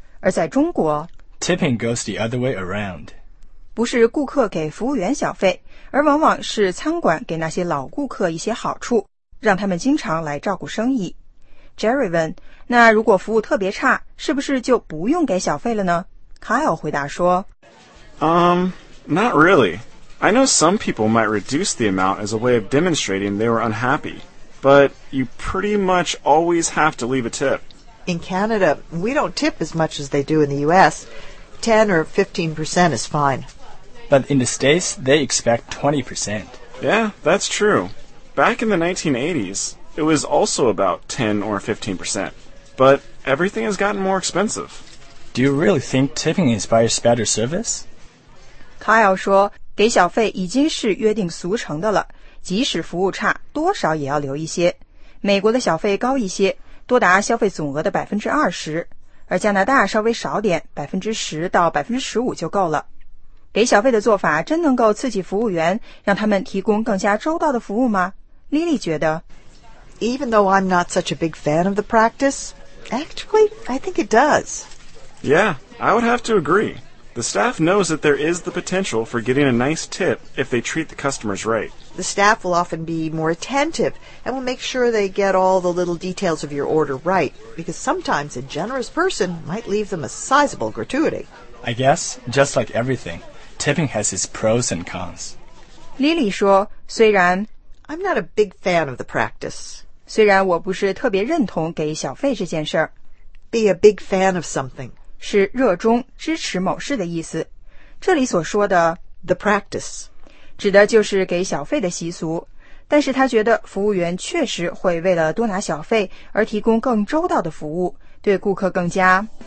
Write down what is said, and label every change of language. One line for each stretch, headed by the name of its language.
Chinese: 而在中国，
English: Tipping goes the other way around.
Chinese: 不是顾客给服务员小费，而往往是餐馆给那些老顾客一些好处，让他们经常来照顾生意。 Jerry 问，那如果服务特别差，是不是就不用给小费了呢？ Kyle 回答说
English: not really. I know some people might reduce the amount as a way of demonstrating they were unhappy, but you pretty much always have to leave a tip. In Canada, we don't tip as much as they do in the US. 10 or 15% is fine. But in the States, they expect 20%. Yeah, that's true. Back in the 1980s,It was also about 10 or 15%, but everything has gotten more expensive. Do you really think tipping inspires better service?
Chinese: Kyle 说，给小费已经是约定俗成的了，即使服务差，多少也要留一些。美国的小费高一些，多达消费总额的 20%, 而加拿大稍微少点 ,10% 到 15% 就够了。给小费的做法真能够刺激服务员，让他们提供更加周到的服务吗？ Lily 觉得
English: Even though I'm not such a big fan of the practice, actually, I think it does. Yeah, I would have to agree. The staff knows that there is the potential for getting a nice tip if they treat the customers right. The staff will often be more attentive and will make sure they get all the little details of your order right, because sometimes a generous person might leave them a sizable gratuity. I guess, just like everything, tipping has its pros and cons.
Chinese: Lily 说，虽然
English: I'm not a big fan of the practice.
Chinese: 虽然我不是特别认同给小费这件事儿。
English: Be a big fan of something.
Chinese: 是热衷、支持某事的意思。这里所说的
English: the practice
Chinese: 指的就是给小费的习俗。但是他觉得服务员确实会为了多拿小费而提供更周到的服务，对顾客更加